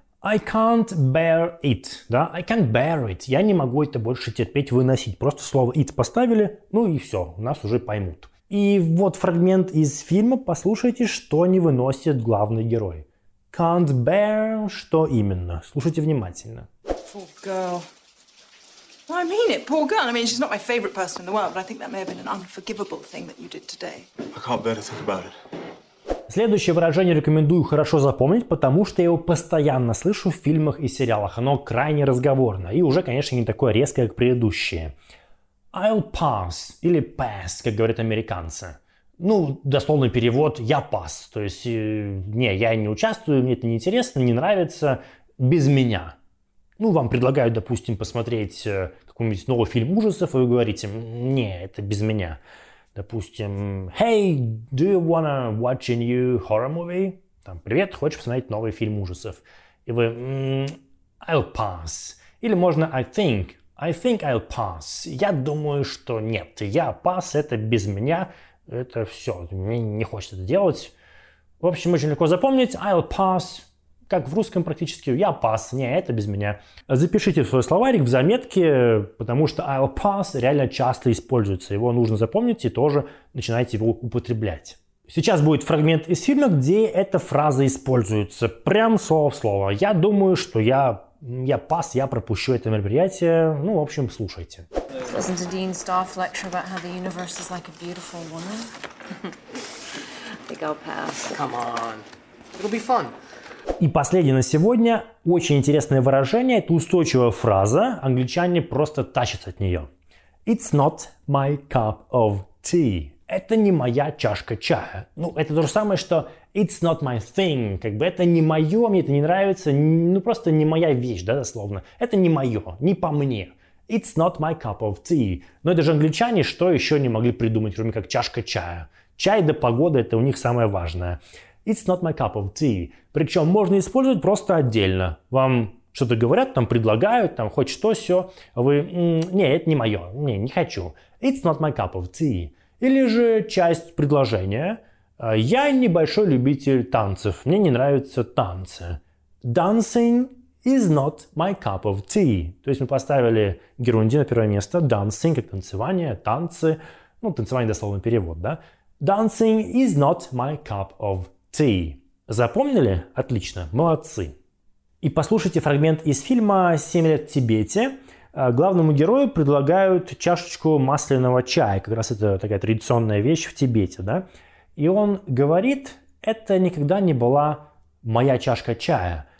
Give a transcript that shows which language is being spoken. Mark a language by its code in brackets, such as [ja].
[en] I can't bear it. [ru] Да? [en] I can't bear it. [ru] Я не могу это больше терпеть, выносить. Просто слово it поставили, ну и все. Нас уже поймут. И вот фрагмент из фильма. Послушайте, что не выносит главный герой. [en] Can't bear [ru] что именно? Слушайте внимательно. [en] Well, I mean it, poor girl. I mean, she's not my favorite person in the world, but I think that may have been an unforgivable thing that you did today. I can't bear to think about it. [ru] Следующее выражение рекомендую хорошо запомнить, потому что я его постоянно слышу в фильмах и сериалах. Оно крайне разговорно и уже, конечно, не такое резкое, как предыдущее. [en] I'll pass [ru] или pass, как говорят американцы. Ну, дословный перевод «я пас». То есть, не, я не участвую, мне это не интересно, не нравится, без меня. Ну, вам предлагают, допустим, посмотреть какой-нибудь новый фильм ужасов, и вы говорите, не, это без меня. Допустим, [en] hey, do you wanna watch a new horror movie? [ru] Там, привет, хочешь посмотреть новый фильм ужасов? И вы, [en] I'll pass. [ru] Или можно, [en] I think I'll pass. [ru] Я думаю, что нет, я pass, это без меня, это все, мне не хочется это делать. В общем, очень легко запомнить, [en] I'll pass, [ru] как в русском практически, я pass, не, это без меня. Запишите в свой словарик, в заметке, потому что [en] I'll pass [ru] реально часто используется. Его нужно запомнить и тоже начинайте его употреблять. Сейчас будет фрагмент из фильма, где эта фраза используется. Прям слово в слово. Я думаю, что я пас, я пропущу это мероприятие. Ну, в общем, слушайте. [en] Wasn't a Dean Staff lecture about how the universe is like a beautiful woman? I think I'll pass. Come on. It'll be fun. [ru] И последнее на сегодня. Очень интересное выражение. Это устойчивая фраза. Англичане просто тащатся от нее. [en] It's not my cup of tea. [ru] Это не моя чашка чая. Ну, это то же самое, что [en] it's not my thing. [ru] Как бы это не мое, мне это не нравится. Ну, просто не моя вещь, да, дословно. Это не мое, не по мне. [en] It's not my cup of tea. [ru] Но это же англичане, что еще не могли придумать, кроме как чашка чая. Чай да погода, это у них самое важное. [en] It's not my cup of tea. [ru] Причем можно использовать просто отдельно. Вам что-то говорят, там предлагают, там хоть что-сё. Вы, не, это не мое, не, не хочу. [en] It's not my cup of tea. [ru] Или же часть предложения. Я небольшой любитель танцев. Мне не нравятся танцы. [en] Dancing is not my cup of tea. [ru] То есть мы поставили герунди на первое место. Dancing, как танцевание, танцы. Ну, танцевание дословный перевод, да? [en] Dancing is not my cup of tea. [ru] Запомнили? Отлично, молодцы. И послушайте фрагмент из фильма «Семь лет в Тибете». Главному герою предлагают чашечку масляного чая. Как раз это такая традиционная вещь в Тибете, да? И он говорит, это никогда не была моя чашка чая.